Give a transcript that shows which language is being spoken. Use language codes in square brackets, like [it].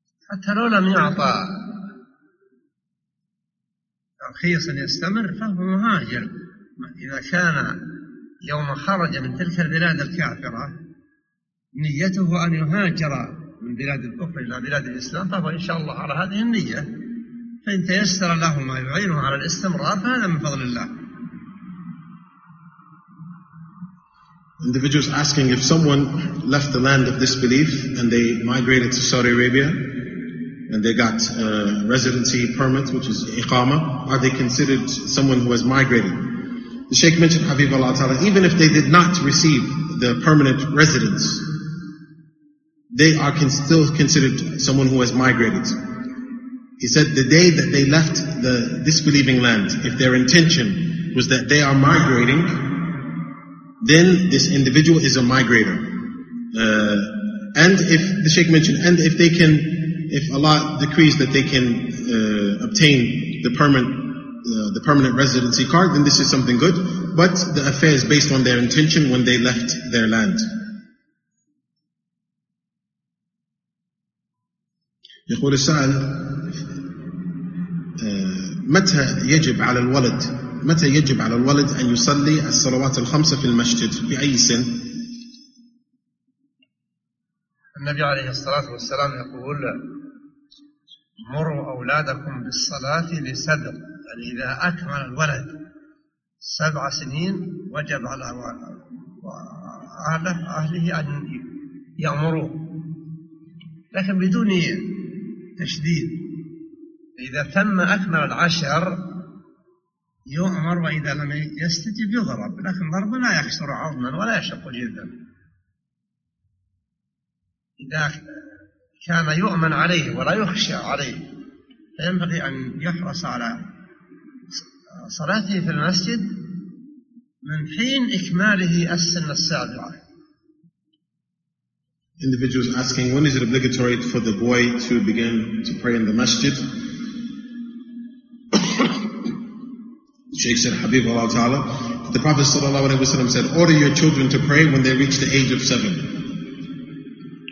[ar] حتى لو لم يعطى ترخيص يستمر فهو مهاجر إذا كان يوم خرج من تلك البلاد الكافرة نيته أن يهاجر من بلاد الكفر إلى بلاد الإسلام فهو إن شاء الله على هذه النية فإن تيسر له ما يعينه على الاستمرار فهذا من فضل الله. [en] Individuals asking if someone left the land of disbelief and they migrated to Saudi Arabia and they got a residency permit which is إقامة are they considered someone who has migrated? The Sheikh mentioned Habib Allah Ta'ala even if they did not receive the permanent residence they are still considered someone who has migrated. He said the day that they left the disbelieving land, if their intention was that they are migrating, then this individual is a migrator. And if, the Sheikh mentioned, and if they can, if Allah decrees that they can obtain the permanent residency card, then this is something good. But the affair is based on their intention when they left their land. [ar] يقول السؤال متى يجب على الولد متى يجب على الولد أن يصلي الصلوات الخمسة في المسجد في أي سن؟ النبي عليه الصلاة والسلام يقول مروا أولادكم بالصلاة لسبع يعني إذا أكمل الولد سبع سنين وجب على أهله أن يأمروا لكن بدون تشديد إذا تم أكمل العشر يؤمر وإذا لم يستجب يضرب لكن ضرب لا يكسر عظما ولا يشق جدا إذا كان يؤمن عليه ولا يخشى عليه فينبغي أن يحرص على صلاته في المسجد من حين إكماله السن السابعة. [en] Individuals asking when is it obligatory for the boy to begin to pray in the masjid? Sheikh said, Habib Allah Ta'ala, the Prophet Sallallahu Alaihi Wasallam said, order your children to pray when they reach the age of seven.